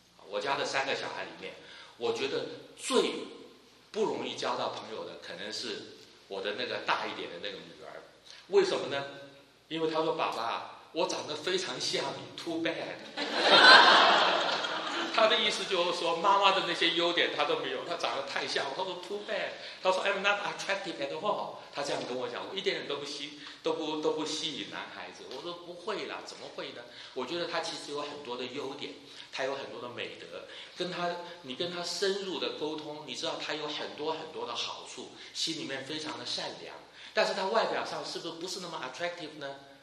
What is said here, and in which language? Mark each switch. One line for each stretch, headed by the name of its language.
Chinese: 我家的三个小孩里面我觉得最不容易交到朋友的可能是我的那个大一点的那个女儿。为什么呢？因为她说爸爸我长得非常像你
English: too bad
Chinese: 他的意思就是说，妈妈的那些优点他都没有，他长得太像。他说
English: too bad，
Chinese: 他说
English: I'm not attractive at all。
Chinese: 他这样跟我讲，我一点点都不吸引男孩子。我说不会啦，怎么会呢？我觉得他其实有很多的优点，他有很多的美德，你跟他深入的沟通，你知道他有很多很多的好处，心里面非常的善良，但是他外表上是不是不是那么 attractive 呢？